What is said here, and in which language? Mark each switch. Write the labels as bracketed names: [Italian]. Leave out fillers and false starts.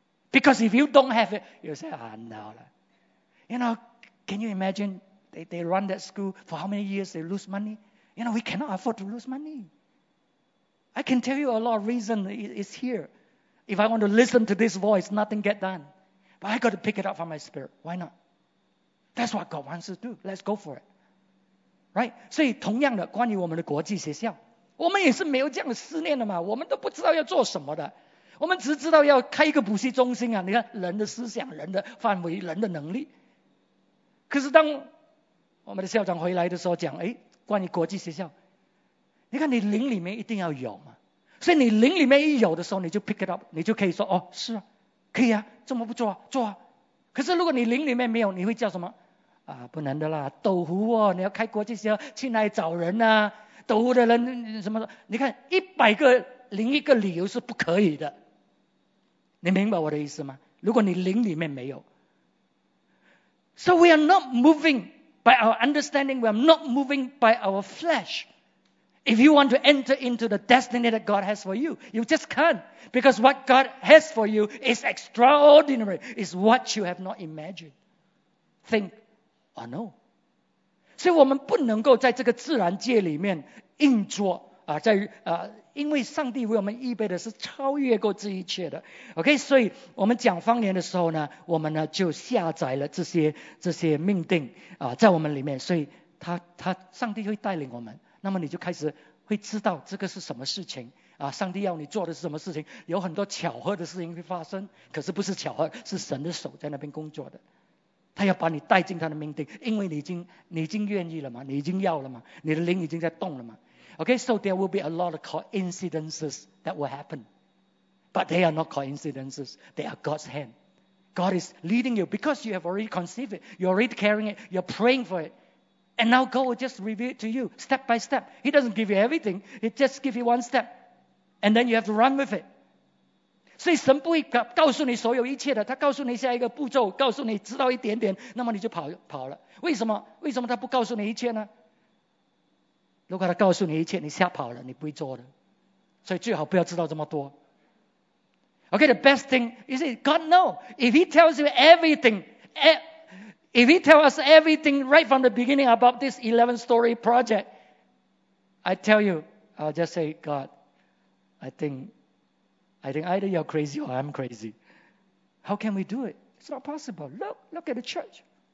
[English] Because if you don't have it, you say, no. You know, can you imagine they run that school for how many years they lose money? You know, we cannot afford to lose money. I can tell you a lot of reason is here. If I want to listen to this voice, nothing get done. But I got to pick it up from my spirit. Why not? That's what God wants us to do. Let's go for it. Right? [Chinese] 所以同样的，关于我们的国际学校，我们也是没有这样的思念的嘛，我们都不知道要做什么的。我们只知道要开一个补习中心啊，你看人的思想，人的范围，人的能力。可是当我们的校长回来的时候讲，关于国际学校，你看你灵里面一定要有嘛。所以你灵里面一有的时候，你就 pick it up，你就可以说哦，是啊，可以啊，怎么不做啊？做啊！可是如果你灵里面没有，你会叫什么？啊，不能的啦，斗湖哦，你要开国际时候去哪里找人啊？斗湖的人什么？你看101个理由是不可以的，你明白我的意思吗？如果你灵里面没有。 [English] So we are not moving by our understanding. We are not moving by our flesh. If you want to enter into the destiny that God has for you, you just can't. Because what God has for you is extraordinary. It's what you have not imagined. Think or know. [Chinese] 所以我们不能够在这个自然界里面运作啊，在啊，因为上帝为我们预备的是超越过这一切的。 OK， 所以我们讲方言的时候呢，我们呢就下载了这些命定啊，在我们里面，所以他上帝会带领我们，那么你就开始会知道这个是什么事情啊，上帝要你做的是什么事情，有很多巧合的事情会发生，可是不是巧合，是神的手在那边工作的。他要把你带进他的命定，因为你已经愿意了嘛，你已经要了嘛，你的灵已经在动了嘛。 [English] Okay, so there will be a lot of coincidences that will happen. But they are not coincidences. They are God's hand. God is leading you because you have already conceived it. You're already carrying it. You're praying for it. And now God will just reveal it to you step by step. He doesn't give you everything. He just gives you one step. And then you have to run with it. [Chinese] 所以神不会告诉你所有一切的，他告诉你下一个步骤，告诉你知道一点点，那么你就跑了。为什么他不告诉你一切呢？如果他告诉你一切，你吓跑了，你不会做的。所以最好不要知道这么多。 [English] Okay, the best thing is God knows. If he tells you everything, if he tells us everything right from the beginning about this 11-story project, I tell you, I'll just say, God, I think either you're crazy or I'm crazy. How can we do it? It's not possible. Look at the church.